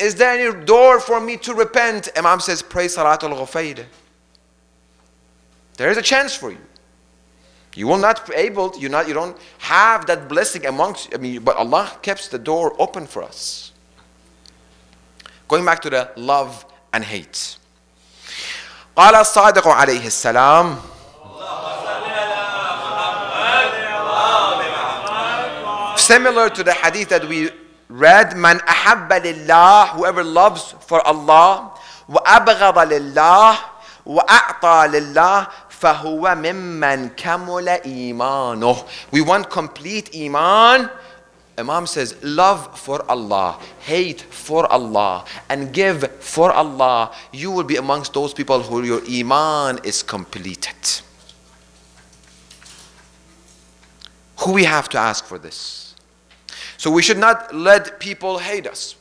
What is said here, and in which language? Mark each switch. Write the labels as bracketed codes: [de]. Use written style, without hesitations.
[en] Is there any door for me to repent? Imam says, pray Salat al-Ghufayr. There is a chance for you. You will not be able, you don't have that blessing amongst, but Allah keeps the door open for us. Going back to the love and hate. [ar] قال الصادق عليه السلام [en] similar to the hadith that we read, [ar] من أحب لله, [en] whoever loves for Allah, [ar] وأبغض لله, وأعطى لله, فهو ممن كمل إيمانه. [en] We want complete iman. Imam says, love for Allah, hate for Allah, and give for Allah, you will be amongst those people who your iman is completed. Who we have to ask for this? So we should not let people hate us.